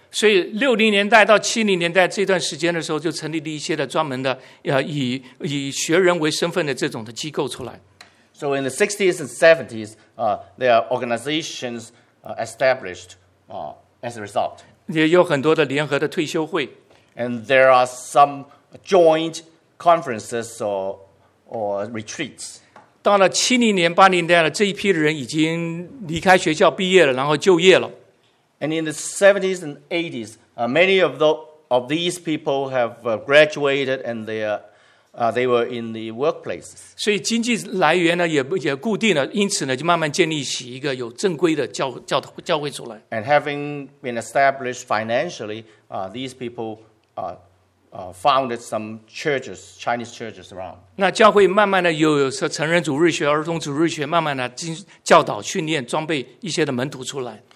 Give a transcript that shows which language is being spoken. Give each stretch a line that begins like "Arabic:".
Chinese: 所以60年代到70年代这段时间的时候，就成立了一些的专门的以学人为身份的这种的机构出来。
English: So in the 60s and 70s, there are organizations established as a result.
Chinese: 也有很多的联合的退休会
English: ，and there are some joint conferences or retreats.
Chinese: 到了70年、80年代了，这一批人已经离开学校毕业了，然后就业了。
English: And in the 70s and 80s, many of these people have graduated and they were in the workplace.
Chinese: 所以经济来源呢也固定了，因此呢就慢慢建立起一个有正规的教会出来。
English: And having been established financially, these people founded some churches, Chinese churches around.
Chinese: 那教会慢慢的有成人主日学、儿童主日学，慢慢的教导、训练、装备一些的门徒出来。